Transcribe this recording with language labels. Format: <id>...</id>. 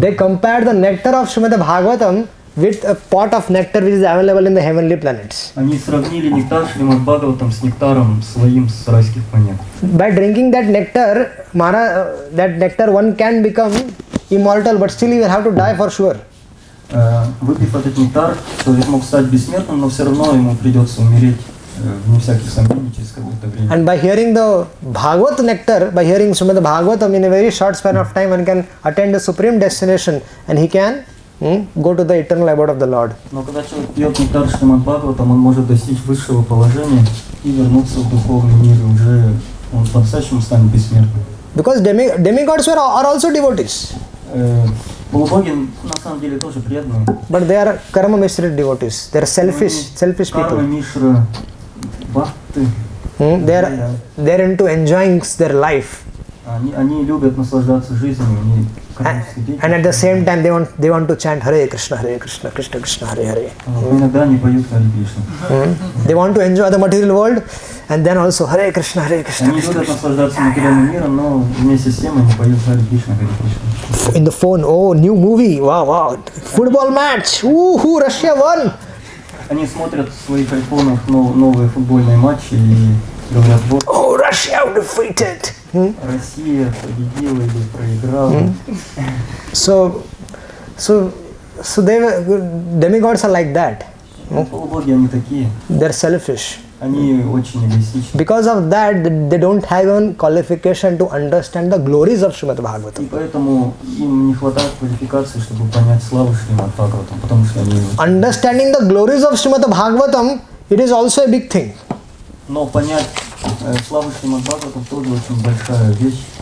<en>They compared the nectar of Srimad Bhagavatam with a pot of nectar which is available in the heavenly planets.</en> <ru>Они сравнили нектар Srimad Bhagavatam с нектаром своим с райских планет.</ru> <en>By drinking that nectar, one can become immortal, but still you will have to die for sure.</en> <ru>Выпив этот нектар, человек мог стать бессмертным, но все равно ему придется умереть, вне всяких сомнений, через какое-то время.</ru> <en>And by hearing the Bhagavat nectar, by hearing Srimad Bhagavatam in a very short span of time, one can attain the supreme destination, and he can go to the eternal abode of the Lord.</en> <ru>Но когда человек пьет нектар Srimad Bhagavatam, он может достичь высшего положения и вернуться в духовный мир, и уже он по-настоящему станет бессмертным.</ru> <en>Because demigods are also devotees.</en> <ru>Полубоги на самом деле тоже преданные.</ru> <en>But they are karma mishra devotees. They are selfish people. Karma mishra bhakti. They are into enjoying their life.</en> <ru>Они любят наслаждаться жизнью. Они</ru> <en>And at the same time they want to chant Hare Krishna, Hare Krishna, Krishna Krishna, Hare Hare.</en> <ru>Иногда они поют Hare Krishna.</ru> <en>They want to enjoy the material world and then also Hare Krishna, Hare Krishna.</en> <ru>Они любят наслаждаться материальным миром, но вместе с тем они поют Hare Krishna, Hare Krishna.</ru> <en>In the phone, oh, new movie, wow, football match, woohoo, Russia won.</en> <ru>Они смотрят в своих айфонах новые футбольные матчи и говорят, вот.</ru> <en>Oh, Russia defeated.</en> <ru>Россия победила или проиграла.</ru> <en>So, So they were, demigods are like that.</en> <ru>Полубоги, они такие.</ru> <en>They're selfish.</en> <ru>Они очень эгоистичны.</ru> <en>Because of that, they don't have even qualification to understand the glories of Srimad Bhagavatam.</en> <ru>И поэтому им не хватает квалификации, чтобы понять славу Шримад Бхагаватам, потому что они...</ru> <en>Understanding the glories of Srimad Bhagavatam, it is also a big thing.</en> <ru>Но понять славу Шримад Бхагаватам тоже очень большая вещь.</ru>